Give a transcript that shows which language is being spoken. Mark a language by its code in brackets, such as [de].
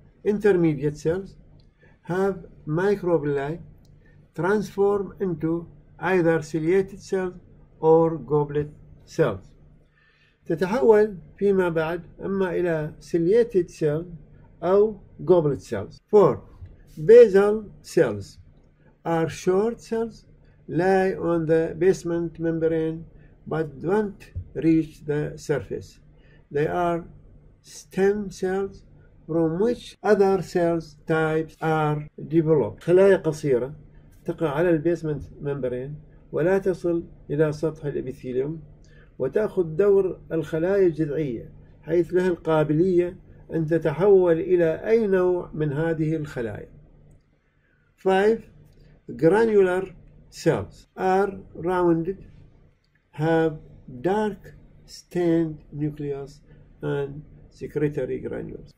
[en] Intermediate cells have microvilli transform into either ciliated cells or goblet cells. [ar] تتحول فيما بعد أما إلى ciliated cells أو goblet cells. [en] Four basal cells are short cells, lie on the basement membrane but don't reach the surface. They are stem cells from which other cells types are developed. [ar] خلايا قصيرة تقع على البيسمنت ممبرين ولا تصل إلى سطح الإبيثيليوم وتأخذ دور الخلايا الجذعية، حيث لها القابلية أن تتحول إلى أي نوع من هذه الخلايا. [en] 5. Granular cells are rounded, have dark stained nucleus and secretory granules.